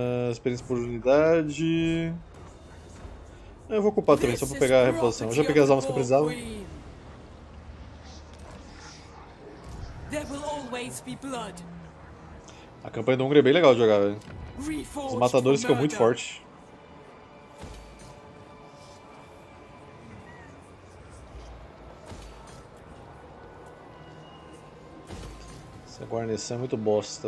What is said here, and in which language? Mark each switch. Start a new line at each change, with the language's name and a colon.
Portuguese: Experiência por unidade. Eu vou ocupar também, só pra pegar a reposição. Eu já peguei as armas que eu precisava.
English: There will always be blood.
Portuguese: A campanha do Hungry é bem legal de jogar, velho. Os matadores ficam muito fortes. Essa guarnição é muito bosta,